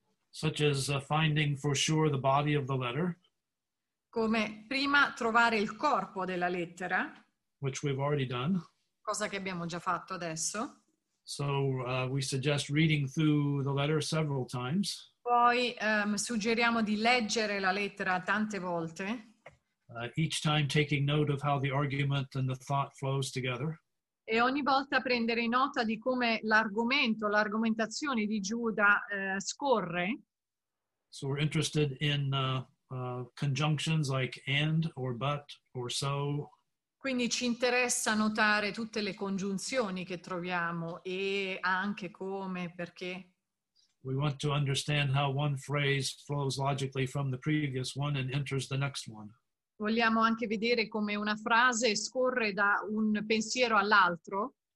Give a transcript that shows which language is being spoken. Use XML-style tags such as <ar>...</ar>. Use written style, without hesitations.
<en>Such as finding for sure the body of the letter.</en> <it>Come prima trovare il corpo della lettera.</it> <en>Which we've already done.</en> <it>Cosa che abbiamo già fatto adesso.</it> <en>So we suggest reading through the letter several times.</en> <it>Poi suggeriamo di leggere la lettera tante volte.</it> <en>Each time taking note of how the argument and the thought flows together.</en> <it>E ogni volta prendere nota di come l'argomento, l'argomentazione di Giuda scorre.</it> <en>So we're interested in conjunctions like and or but or so.</en> <it>Quindi ci interessa notare tutte le congiunzioni che troviamo e anche come, perché.</it> <en>We want to understand how one phrase flows logically from the previous one and enters the next one.</en> <it>Vogliamo anche vedere come una frase scorre da un pensiero all'altro.</it>